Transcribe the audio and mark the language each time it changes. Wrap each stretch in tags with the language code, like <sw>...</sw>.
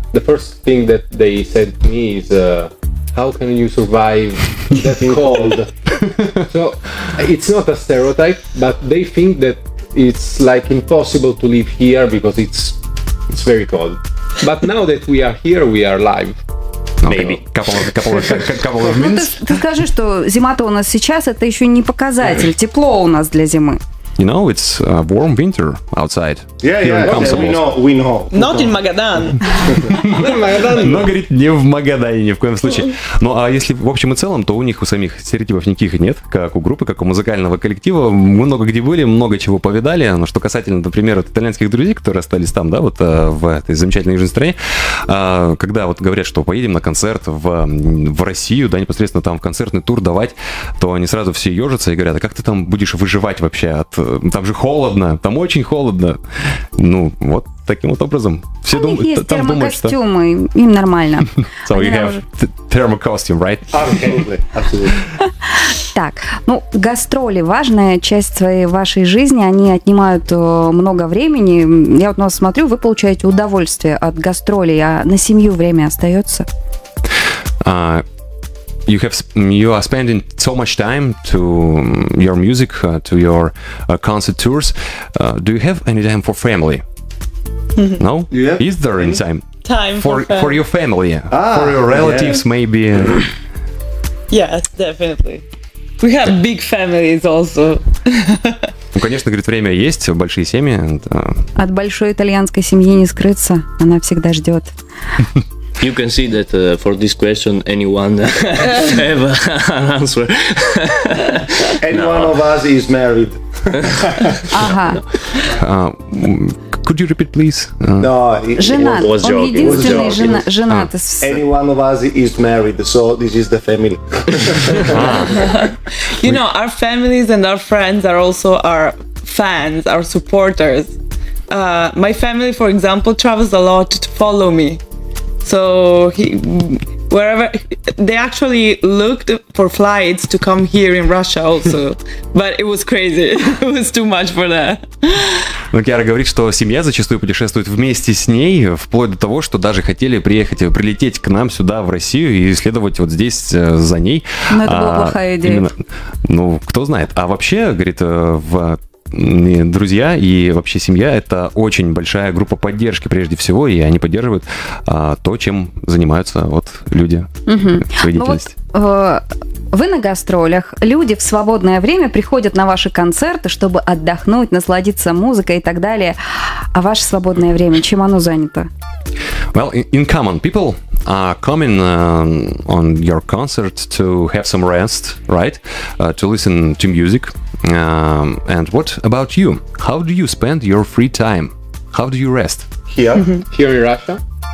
<en>The first thing that they said to me is, how can you survive that cold? So it's not a stereotype, but they think that it's like impossible to live here because it's very cold. But now that we are here, we are live. Maybe.</en> <ru>Скажи, что зима-то у нас сейчас, это еще не показатель. Тепло у нас для зимы.</ru> <en>You know, it's a warm winter outside. Yeah, we know. Not in Magadan.</en> <ru>Но, говорит, не в Магадане, ни в коем случае. Ну, а если в общем и целом, то у них, у самих стереотипов никаких нет, как у группы, как у музыкального коллектива. Мы много где были, много чего повидали. Но что касательно, например, от итальянских друзей, которые остались там, да, вот в этой замечательной южной стране, когда вот говорят, что поедем на концерт в Россию, да, непосредственно там в концертный тур давать, то они сразу все ежатся и говорят, а как ты там будешь выживать вообще? Там же холодно, там очень холодно. Ну, вот таким вот образом. Все у них есть термокостюмы, им нормально.</ru> <en>So you have thermocostume, right? Absolutely.</en> <ru>Так, ну, гастроли, важная часть вашей жизни, они отнимают много времени. Я вот на вас смотрю, вы получаете удовольствие от гастролей, а на семью время остается?</ru> <en>you have you are spending so much time to your music, to your concert tours. Do you have any time for family? No? Yeah. Is there any time? Time for your family, for your relatives, maybe. Yes, definitely. We have big families also.</en> <ru>Ну, конечно, говорит, время есть, большие семьи. От большой итальянской семьи не скрыться, она всегда ждет.</ru> <en>You can see that for this question, anyone have an answer. Anyone of us is married.</en> <ru>Ага.</ru> <en>Could you repeat, please? No,</en> <ru>женат.</ru> <en>Was joking.</en> <ru>Он единственный женат.</ru> <en>Any one of us is married, so this is the family. You know, our families and our friends are also our fans, our supporters. My family, for example, travels a lot to follow me. So wherever they actually looked for flights to come here in Russia also, but it was crazy. It was too much for them.</en> <ru>Но Киара говорит, что семья зачастую путешествует вместе с ней, вплоть до того, что даже хотели приехать, прилететь к нам сюда, в Россию, и следовать вот здесь за ней. Но это была плохая идея. Именно, ну, кто знает. А вообще, говорит, друзья и вообще семья – это очень большая группа поддержки, прежде всего, и они поддерживают то, чем занимаются вот люди в своей деятельности. Вы на гастролях, люди в свободное время приходят на ваши концерты, чтобы отдохнуть, насладиться музыкой и так далее. А ваше свободное время, чем оно занято?</ru> <en>Well, in common, people are coming on your concert to have some rest, right? To listen to music. And what about you? How do you spend your free time? How do you rest? Here, here in Russia?</en>